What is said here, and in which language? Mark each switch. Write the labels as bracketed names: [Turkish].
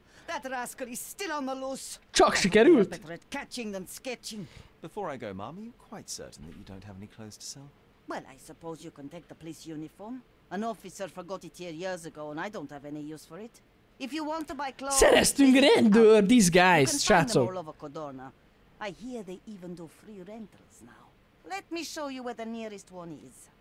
[English] That rascal is still on the loose. [Hungarian] Csak sikerült! [English] Catching than sketching. Before I go, Mom, are you quite certain that you don't have any clothes to sell? Well, I suppose you can take the police uniform. An officer forgot it here years ago and I don't have any use for it. If you want to buy clothes... [Hungarian] Szereztünk rendőr, [English] these guys, [Hungarian] srácok! [English] You can find them all over. I hear they even do free rentals now. Let me show you where the nearest one is.